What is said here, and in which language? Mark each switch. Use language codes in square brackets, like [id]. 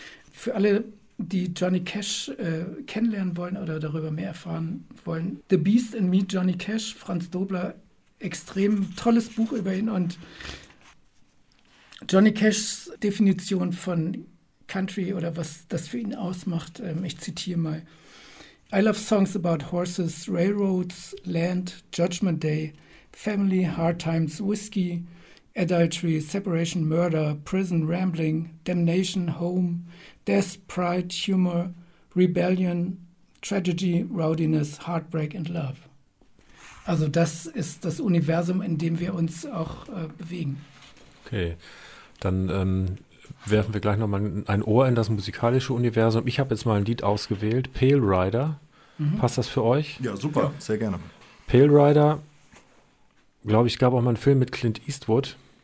[de] Für alle, die Johnny Cash kennenlernen wollen oder darüber mehr erfahren wollen, The Beast in Me, Johnny Cash, Franz Dobler, extrem tolles Buch über ihn und Johnny Cashs Definition von Country oder was das für ihn ausmacht, ich zitiere mal. [en] I love songs about horses, railroads, land, judgment day, family, hard times, whiskey, adultery, separation, murder, prison, rambling, damnation, home, death, pride, humor, rebellion, tragedy, rowdiness, heartbreak and love. [de] Also das ist das Universum, in dem wir uns auch bewegen. Okay. Dann werfen wir gleich nochmal ein Ohr in das musikalische Universum. Ich habe jetzt mal ein Lied ausgewählt, Pale Rider. Mhm. Passt das für euch? Ja, super, ja. Sehr gerne. Pale Rider, glaube ich, gab auch mal einen Film mit Clint Eastwood.